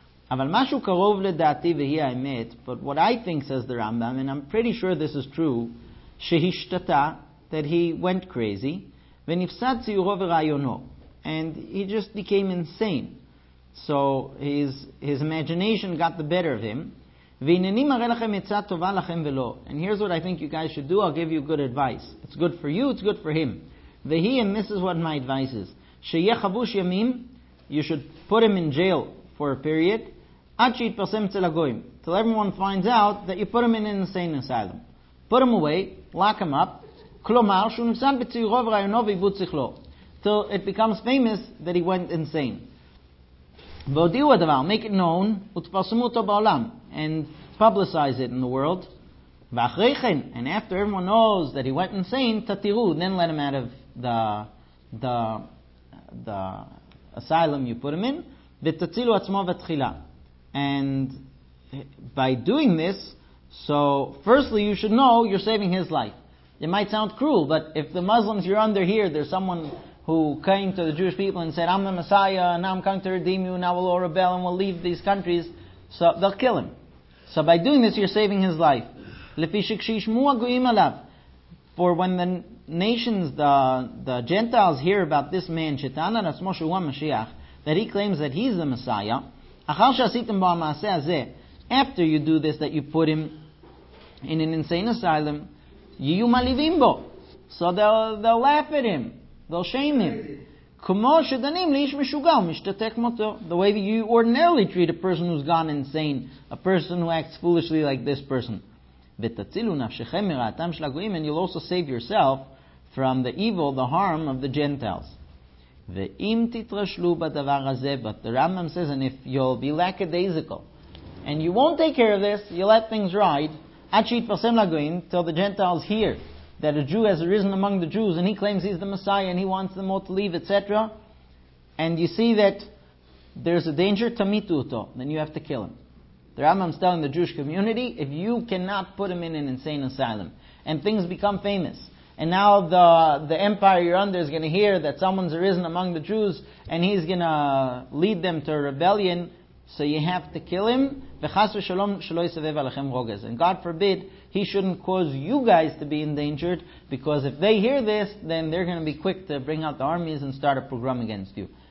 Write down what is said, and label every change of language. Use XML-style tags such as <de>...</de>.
<he>אבל משהו קרוב לדעתי והיא האמת,</he> <en>but what I think, says the Rambam, and I'm pretty sure this is true,</en> <he>שהשתתה,</he> <en>that he went crazy,</en> <he>ונפסד ציורו ורעיונו.</he> <en>And he just became insane. So his imagination got the better of him.</en> <he>והנני מראה לכם עצה טובה לכם ולא.</he> <en>And here's what I think you guys should do. I'll give you good advice. It's good for you, it's good for him.</en> <he>והיא,</he> <en>and this is what my advice is.</en> <he>שיהיה חבוש ימים,</he> <en>you should put him in jail for a period,</en> <he>עד שיתפרסם אצל הגויים.</he> <en>Till everyone finds out that you put him in an insane asylum. Put him away, lock him up.</en> <he>כלומר, שהוא נפסד בציורו ורעיונו ועיוות שכלו.</he> <en>Till it becomes famous that he went insane.</en> <he>והודיעו הדבר,</he> <en>make it known,</en> <he>ותפרסמו אותו בעולם.</he> <en>And publicize it in the world.</en> <he>ואחרי כן,</he> <en>and after everyone knows that he went insane,</en> <he>תתירו,</he> <en>then let him out of the asylum you put him in.</en> <he>ותצילו עצמו בתחילה.</he> <en>And by doing this, so firstly you should know you're saving his life. It might sound cruel, but if the Muslims you're under here, there's someone who came to the Jewish people and said, I'm the Messiah, now I'm coming to redeem you, now we'll all rebel and we'll leave these countries, so they'll kill him. So by doing this, you're saving his life.</en> <he>לפי שכשישמעו הגויים עליו,</he> <en>for when the nations, the Gentiles hear about this man,</en> <he>שטען על עצמו שהוא המשיח,</he> <en>that he claims that he's the Messiah,</en> <he>אחר שעשיתם בו המעשה הזה,</he> <en>after you do this, that you put him in an insane asylum,</en> <he>יהיו מליבים בו.</he> <en>So they'll laugh at him. They'll shame him.</en> <he>כמו שדנים לאיש משוגע ומשתתה כמותו.</he> <en>The way that you ordinarily treat a person who's gone insane, a person who acts foolishly like this person.</en> <he>ותצילו נפשכם מרעתם של הגויים,</he> <en>and you'll also save yourself from the evil, the harm of the Gentiles.</en> <he>ואם תתרשלו בדבר הזה,</he> <en>but the Rambam says, and if you'll be lackadaisical, and you won't take care of this, you'll let things ride,</en> <he>עד שיתפרסם לגויים,</he> <en>till the Gentiles hear that a Jew has arisen among the Jews and he claims he's the Messiah and he wants them all to leave, etc. And you see that there's a danger,</en> <he>tamitu uto,</he> <en>then you have to kill him. The Rambam's telling the Jewish community, if you cannot put him in an insane asylum and things become famous and now the empire you're under is going to hear that someone's arisen among the Jews and he's going to lead them to a rebellion, so you have to kill him.</en> <he>וחס ושלום שלא יסבב עליכם רוגז.</he> <en>And God forbid, he shouldn't cause you guys to be endangered, because if they hear this, then they're going to be quick to bring out the armies and start a pogrom against you.</en>